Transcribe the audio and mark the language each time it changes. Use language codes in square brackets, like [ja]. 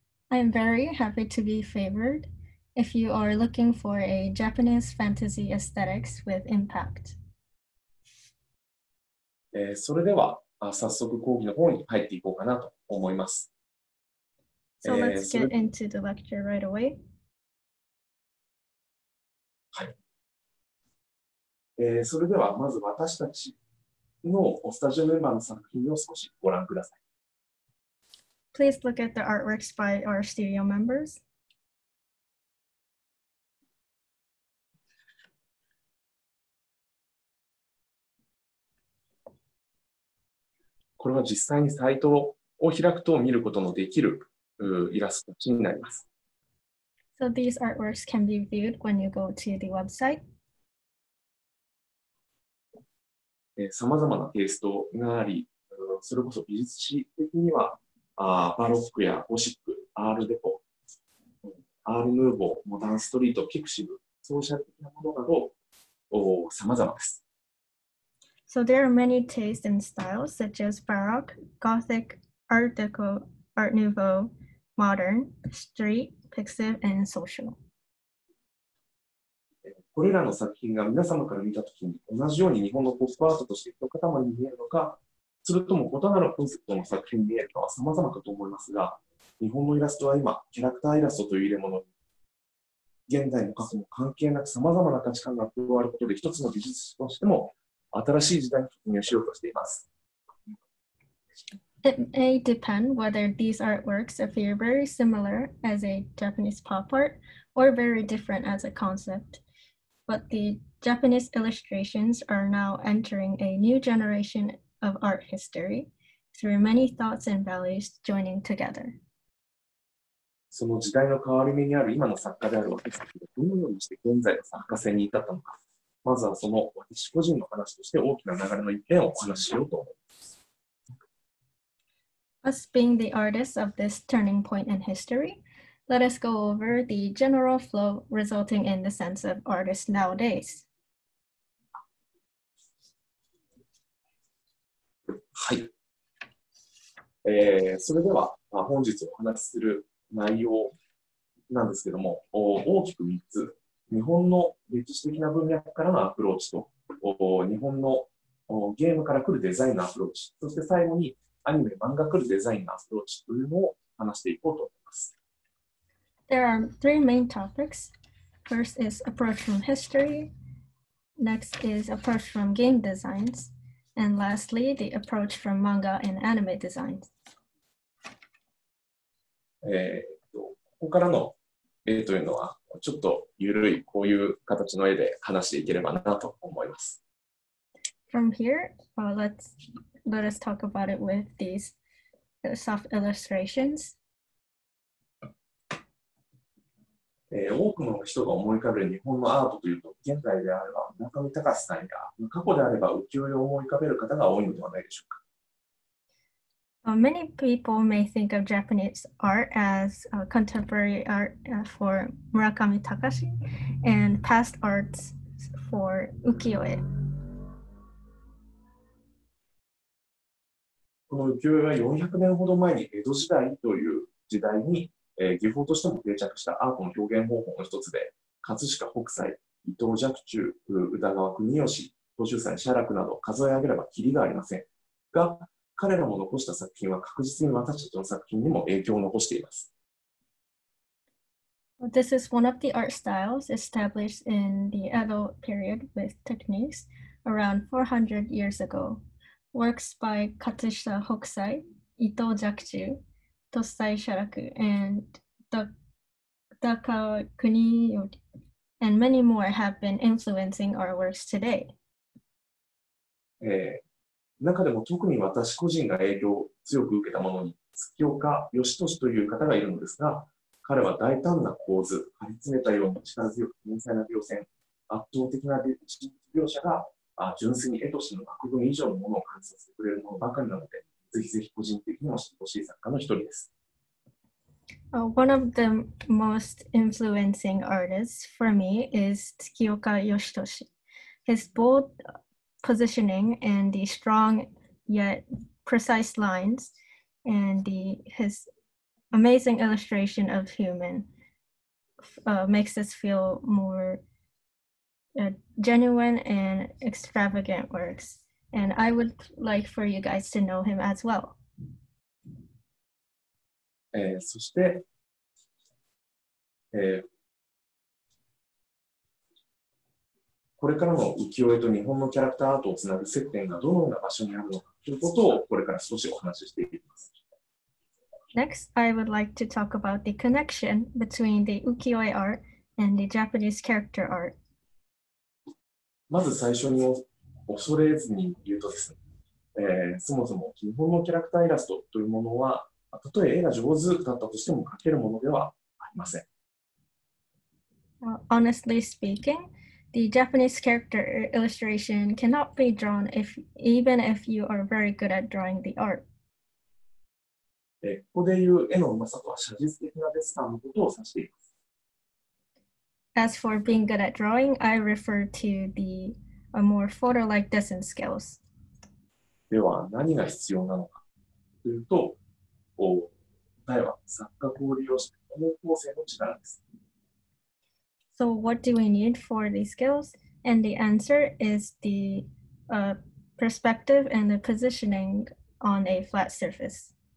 [en] I am very happy to be favored if you are looking for a Japanese fantasy aesthetics with impact. [ja] それでは早速講義の方に入っていこうかなと思います。 [en] So let's get into the lecture right away. [ja] はい。それではまず私たちのスタジオメンバーの作品を少しご覧ください。 [en] Please look at the artworks by our studio members. [ja] これは実際にサイトを開くと見ることのできるイラストになります。 [en] So these artworks can be viewed when you go to the website. [ja] さまざまなテイストがあり、それこそ美術史的にはバロックやゴシック、アールデコ、アールヌーボー、モダンストリート、ピクシブ、ソーシャル的なものなど、さまざまです。 [en] So there are many tastes and styles, such as Baroque, Gothic, Art Deco, Art Nouveau, Modern, Street, Pixiv, and Social. [ja] これらの作品が皆様から見たときに、同じように日本のポップアートとして一塊に見えるのか、それとも異なるコンセプトの作品に見えるかは様々かと思いますが、日本のイラストは今、キャラクターイラストという入れ物に、現在も過去も関係なく様々な価値観が加わることで、一つの美術史としても新しい時代に突入しようとしています。 [en] It may depend whether these artworks appear very similar as a Japanese pop art or very different as a concept. But the Japanese illustrations are now entering a new generation of art history through many thoughts and values joining together. [ja] その時代の変わり目にある今の作家である私たちがどのようにして現在の作家性に至ったのか、まずはその私個人の話として大きな流れの一点をお話ししようと思います。 [en] Us being the artists of this turning point in history,Let us go over the general flow resulting in the sense of artists nowadays. [ja] はい。それでは、本日お話しする内容なんですけども、大きく3つ。日本の歴史的な文脈からのアプローチと、日本のゲームから来るデザインのアプローチ、そして最後にアニメ、漫画来るデザインのアプローチというのを話していこうと思います。 [en] There are three main topics. First is approach from history, next is approach from game designs, and lastly, the approach from manga and anime designs. [ja] ここからの絵というのは、ちょっと緩いこういう形の絵で話していければなと思います。 [en] From here, let us talk about it with these soft illustrations. [ja] 多くの人が思い浮かべる日本のアートというと、現在であれば村上隆さんや、過去であれば浮世絵を思い浮かべる方が多いのではないでしょうか。 [en] Many people may think of Japanese art as contemporary art for 村上隆 and past arts for 浮世絵。 [ja] この浮世絵は400年ほど前に江戸時代という時代に技法としても定着したアートの表現方法の一つで、葛飾北斎、伊藤若冲、宇田川国吉、東洲斎写楽など数え上げればキリがありません。が、彼らも残した作品は確実に私たちの作品にも影響を残しています。 [en] This is one of the art styles established in the Edo period with techniques around 400 years ago. Works by Katsushita Hokusai, Ito Jakuchu, Tosai Sharaku, and Takao Kuniyori, and many more have been influencing our works today. [ja] 中でも特に私個人が影響を強く受けたものに月岡義俊という方がいるのですが、彼は大胆な構図、張り詰めたような力強く繊細な描線、圧倒的な描写が純粋に絵としての枠組み以上のものを感じさせてくれるものばかりなので、ぜひぜひ個人的にも知ってほしい作家の一人です。 [en] One of the most influencing artists for me is 月岡義俊。 His bold positioning and the strong yet precise lines and his amazing illustration of human makes us feel more genuine and extravagant works. And I would like for you guys to know him as well. [ja] そして、これからの浮世絵と日本のキャラクターアートをつなぐ接点がどのような場所にあるのかということをこれから少しお話ししていきます。 [en] Next, I would like to talk about the connection between the 浮世絵 art and the Japanese character art. [ja] まず最初に恐れずに言うとですね、そもそも日本のキャラクターイラストというものは、たとえ絵が上手だったとしても描けるものではありません。 [en] Honestly speaking,The Japanese character illustration cannot be drawn even if you are very good at drawing the art. [ja] ここで言う絵のうまさとは写実的なデッサンのことを指しています。 [en] As for being good at drawing, I refer to the more photo-like dessin skills. [ja] では何が必要なのかというと、答えは作家を利用して方向性の力です。 [en] So what do we need for the skills? And the answer is the perspective and the positioning on a flat surface.